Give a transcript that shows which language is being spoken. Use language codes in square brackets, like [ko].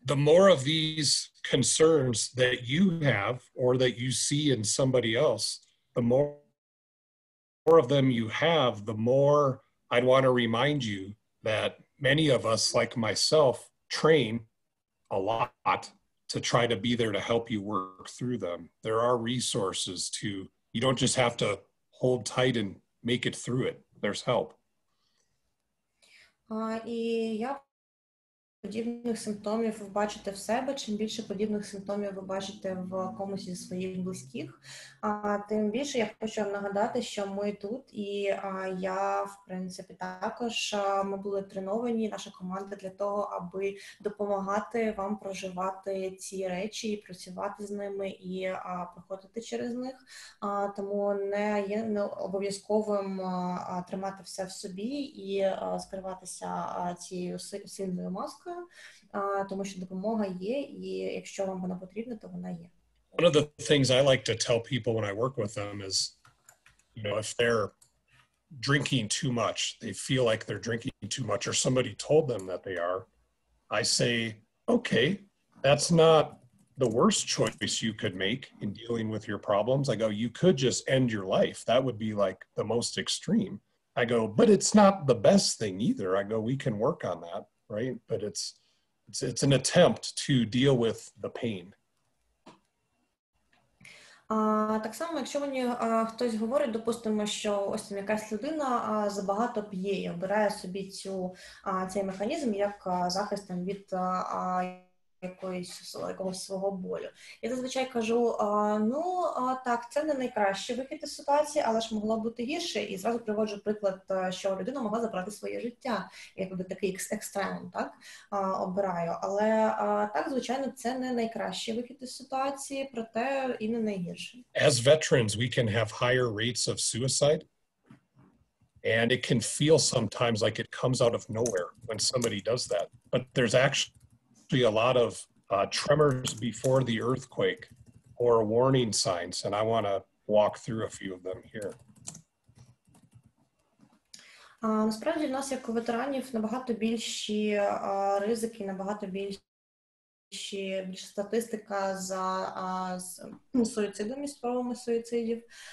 [en] The more of these concerns that you have or that you see in somebody else, the more of them you have, the more I'd want to remind you that many of us, like myself, train a lot to try to be there to help you work through them. There are resources to, you don't just have to hold tight and make it through it. There's help. [uk] І я подібних симптомів ви бачите в себе, чим більше подібних симптомів ви бачите в комусь зі своїх близьких, тим більше я хочу вам нагадати, що ми тут, і я, в принципі, також, ми були треновані, наша команда, для того, аби допомагати вам проживати ці речі, і працювати з ними, і проходити через них. Тому не є не обов'язковим тримати все в собі і скриватися цією сильною маскою, тому що допомога є, і якщо вам вона потрібна, то вона є. [en] One of the things I like to tell people when I work with them is, you know, if they're drinking too much, they feel like they're drinking too much, or somebody told them that they are, I say, okay, that's not the worst choice you could make in dealing with your problems. I go, you could just end your life. That would be like the most extreme. I go, but it's not the best thing either. I go, we can work on that, right? But it's an attempt to deal with the pain. [uk] Так само, якщо мені хтось говорить, допустимо, що ось там якась людина забагато п'є і обирає собі цей механізм як захист там, від якогось свого болю. Я зазвичай кажу, так, це не найкращий вихід із ситуації, але ж могло бути гірше. І зразу приводжу приклад, що людина могла забрати своє життя, якби такий екстремум, так, обираю. Але так, звичайно, це не найкращий вихід із ситуації, проте і не найгірший. [en] As veterans, we can have higher rates of suicide. And it can feel sometimes like it comes out of nowhere when somebody does that. But there's actually a lot of tremors before the earthquake or warning signs, and I want to walk through a few of them here. [uk] Насправді в нас, як у ветеранів, набагато більші ризики, набагато більша статистика з суїцидами, спробами суїцидів.